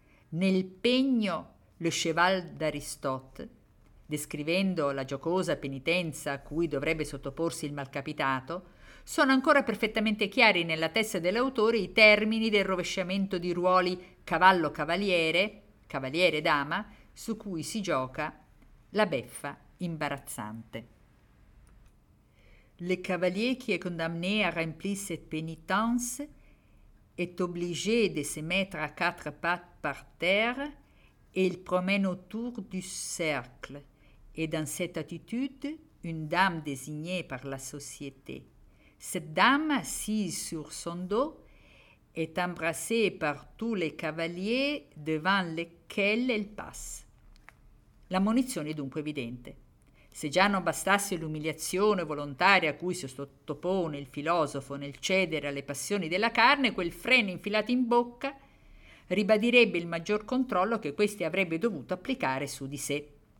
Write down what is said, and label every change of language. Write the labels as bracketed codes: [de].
[it] Nel pegno Le Cheval d'Aristote, descrivendo la giocosa penitenza a cui dovrebbe sottoporsi il malcapitato, sono ancora perfettamente chiari nella testa dell'autore i termini del rovesciamento di ruoli cavallo-cavaliere, cavaliere-dama, su cui si gioca la beffa imbarazzante. [fr] Le cavalier qui est condamné à remplir cette pénitence est obligé de se mettre à quatre pattes par terre et il promène autour du cercle, et dans cette attitude, une dame désignée par la société. Cette dame, assise sur son dos, est embrassée par tous les cavaliers devant lesquels elle passe. [it] L'ammonizione è dunque evidente. Se già non bastasse l'umiliazione volontaria a cui si sottopone il filosofo nel cedere alle passioni della carne, quel freno infilato in bocca ribadirebbe il maggior controllo che questi avrebbe dovuto applicare su di sé.